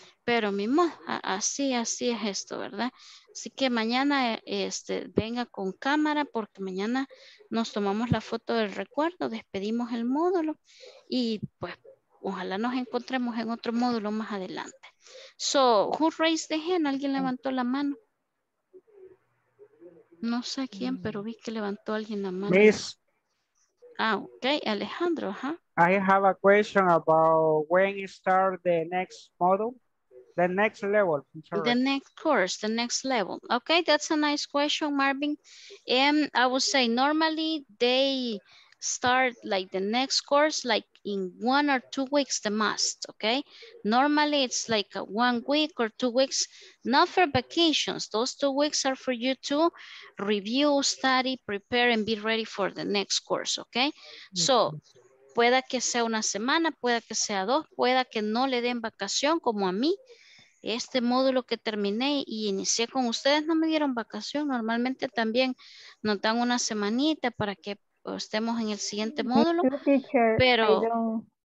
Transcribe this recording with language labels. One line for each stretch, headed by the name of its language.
Spanish: Pero mi mamá, así es esto, ¿verdad? Así que mañana venga con cámara, porque mañana nos tomamos la foto del recuerdo, despedimos el módulo y pues ojalá nos encontremos en otro módulo más adelante.
English: So, who raised the hand?
Spanish: ¿Alguien levantó la mano? No sé quién, pero vi que levantó alguien la mano.
English: Miss.
Spanish: Ah, okay, Alejandro, ajá.
English: I have a question about when you start the next module, the next level. The next course, the next level. Okay, that's a nice question, Marvin. And I would say normally they start like the next course like in 1 or 2 weeks, the most, okay? Normally it's like 1 week or 2 weeks, not for vacations. Those 2 weeks are for you to review, study, prepare, and be ready for the next course, okay?
Spanish: So, pueda que sea una semana, pueda que sea dos, pueda que no le den vacación como a mí. Este módulo que terminé y inicié con ustedes no me dieron vacación. Normalmente también nos dan una semanita para que estemos en el siguiente módulo. Teacher, pero